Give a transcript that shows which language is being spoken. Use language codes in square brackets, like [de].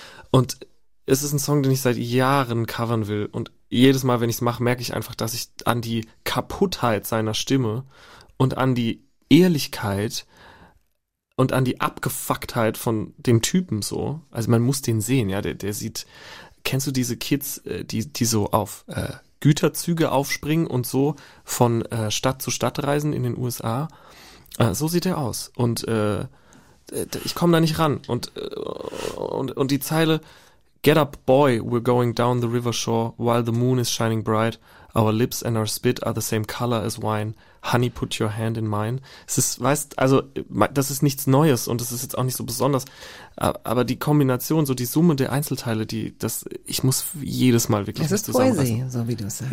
[de] Und es ist ein Song, den ich seit Jahren covern will. Und jedes Mal, wenn ich es mache, merke ich einfach, dass ich an die Kaputtheit seiner Stimme und an die Ehrlichkeit und an die Abgefucktheit von dem Typen so, also man muss den sehen, ja, der sieht, kennst du diese Kids, die so auf Güterzüge aufspringen und so von Stadt zu Stadt reisen in den USA? So sieht er aus. Und ich komme da nicht ran. Und die Zeile, [en] get up boy, we're going down the river shore while the moon is shining bright. Our lips and our spit are the same color as wine. Honey, put your hand in mine. [de] Es ist, weißt, also, das ist nichts Neues und das ist jetzt auch nicht so besonders. Aber die Kombination, so die Summe der Einzelteile, die, das, ich muss jedes Mal wirklich das zusammenfassen. Es ist Poesie, so wie du es sagst.